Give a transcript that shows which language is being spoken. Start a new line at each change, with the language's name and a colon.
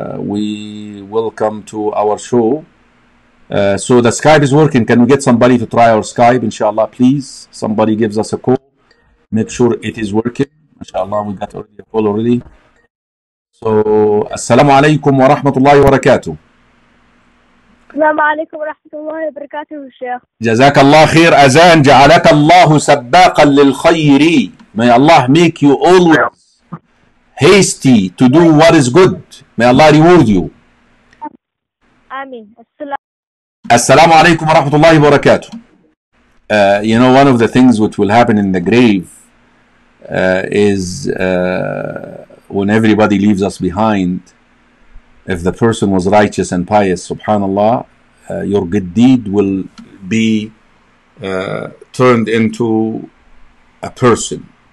English: We welcome to our show. So the Skype is working. Can we get somebody to try our Skype, inshallah, please? Somebody gives us a call. Make sure it is working. Inshallah, we got already a call already. So, assalamu alaikum wa rahmatullahi wa barakatuh.
Arabic: السلام عليكم ورحمة الله وبركاته الشيخ. جزاك الله خير أزان جعلك الله سباقا للخير.
English: May Allah make you always hasty to do what is good. May Allah reward you.
Arabic: آمين. السلام. السلام عليكم ورحمة الله وبركاته.
English: You know, one of the things which will happen in the grave is when everybody leaves us behind, if the person was righteous and pious, subhanAllah, your good deed will be turned into a person.